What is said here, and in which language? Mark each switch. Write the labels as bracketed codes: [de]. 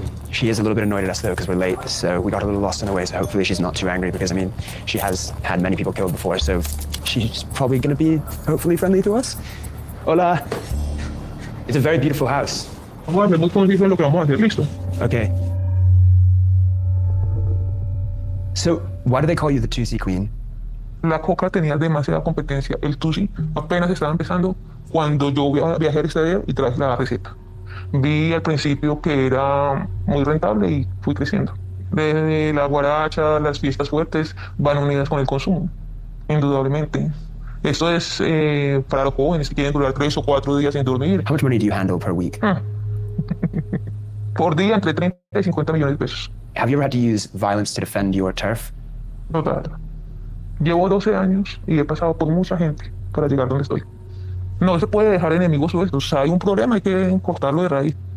[en] She is a little bit annoyed at us though, because we're late, so we got a little lost on the way, so hopefully she's not too angry, because I mean, she has had many people killed before, so she's probably gonna be hopefully friendly to us. [es] Hola. [en] It's a very beautiful house. Okay. So, why do they call you the 2C Queen? [es] La coca tenía demasiada competencia. El Tusi apenas estaba empezando cuando yo viajé al exterior y traje la receta. Vi al principio que era muy rentable y fui creciendo. Desde la guaracha, las fiestas fuertes van unidas con el consumo, indudablemente. Esto es para los jóvenes que quieren durar 3 o 4 días sin dormir. [en] How much money do you handle per week? [es] Por día entre 30 y 50 millones de pesos. [en] Have you ever had to use violence to defend your turf? [es] No, claro. Llevo 12 años y he pasado por mucha gente para llegar donde estoy. No se puede dejar enemigos sueltos. O sea, hay un problema, hay que cortarlo de raíz.